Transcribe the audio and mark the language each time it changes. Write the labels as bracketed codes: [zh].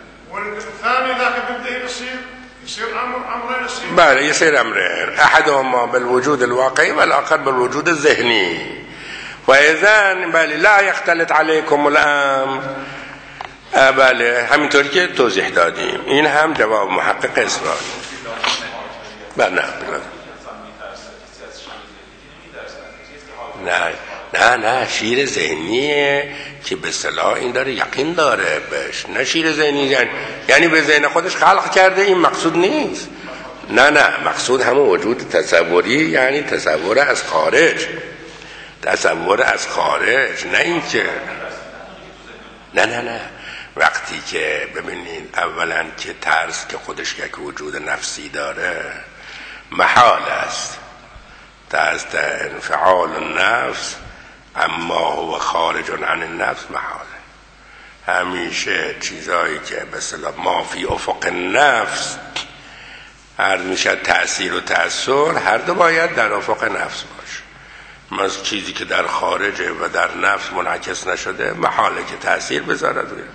[ar] والثاني ذاك بده يصير، يصير امر امرين، يصير امرين، احدهما بالوجود الواقعي والاخر بالوجود الذهني. واذا بل لا يختلط عليكم الامر، [fa] بل همینطور که توضیح دادیم، این هم جواب محقق اسلامی. بله بله، نه نه نه، شیر ذهنیه که به صلاح این داره یقین داره بهش، نه شیر ذهنی یعنی به ذهن خودش خلق کرده، این مقصود نیست. نه نه، مقصود همون وجود تصوری، یعنی تصور از خارج، تصور از خارج، نه این که نه نه نه، وقتی که ببینید اولا که ترس که خودش یک وجود نفسی داره محال است، ترس در انفعال نفس [ar] اما هو خارج عن النفس محال. [fa] همیشه چیزایی که به اصطلاح مافی افق نفس هر میشه تأثیر و تأثیر، هر دو باید در افق نفس باشه. مثل چیزی که در خارج و در نفس منعکس نشده محاله که تأثیر بذارد.